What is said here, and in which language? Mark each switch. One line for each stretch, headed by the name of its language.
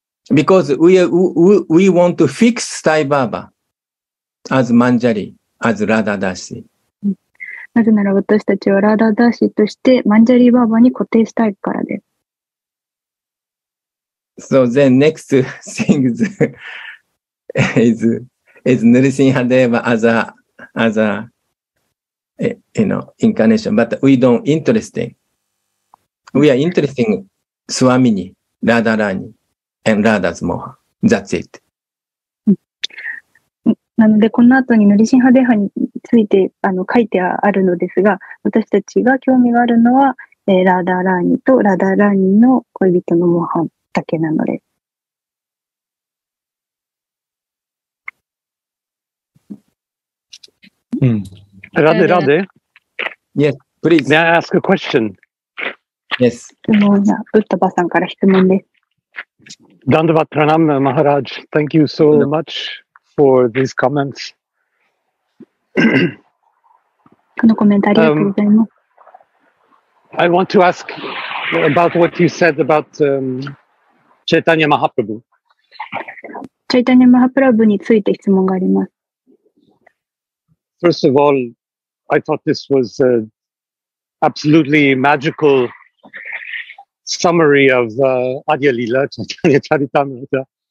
English: Because we want to fix Stai Baba as Manjari, as Radha Dashi.
Japanese: なぜなら私たちはラーダーダーシとしてマンジャリーバーバに固定したいからです。
English: So then next thing is, is Nrisimha Deva as a, you know, incarnation. But we don't interesting. We are interesting Swamini, Radha Rani, and Radha's Moha. That's it.
Japanese: なので、この後に Nrisimha Deva について書いてあるのですが、私たちが興味があるのは、ラダラーニとラダラーニの恋人の模範だけなので。うん。ラデラデ
English: Yes, please. May I ask a question? Yes.
Japanese: ブッダバさんから質問です。ダンダバトラナム、マハラジ。
English: Thank you so much for these comments.
Japanese: このコメントありがとうございます。
English: I want to ask about what you said about Chaitanya Mahaprabhu.
Japanese: Chaitanya Mahaprabhu について質問があります。
English: First of all, I thought this was an absolutely magical summary of Adya Lila, Chaitanya Charitamrita.